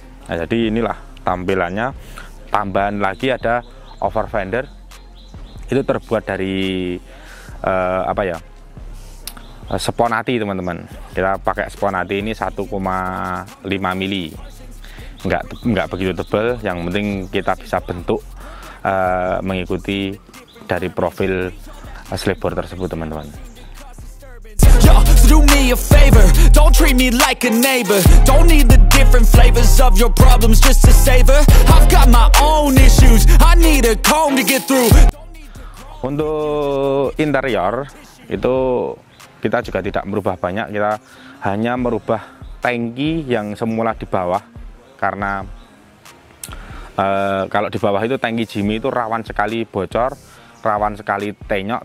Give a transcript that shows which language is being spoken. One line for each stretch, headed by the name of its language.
Indonesian: Nah, jadi inilah tampilannya. Tambahan lagi ada over fender, itu terbuat dari sponati, teman-teman. Kita pakai sponati ini 1,5 mili, nggak begitu tebal. Yang penting kita bisa bentuk mengikuti dari profil selebor tersebut, teman-teman.
English: Do me a favor, don't treat me like a neighbor. Don't need the different flavors of your problems just to savor. I've got my own issues, I need a comb to get through.
Indonesian: Untuk interior itu kita juga tidak merubah banyak. Kita hanya merubah tangki yang semula di bawah, karena kalau di bawah itu tangki Jimmy itu rawan sekali bocor, rawan sekali tenyok.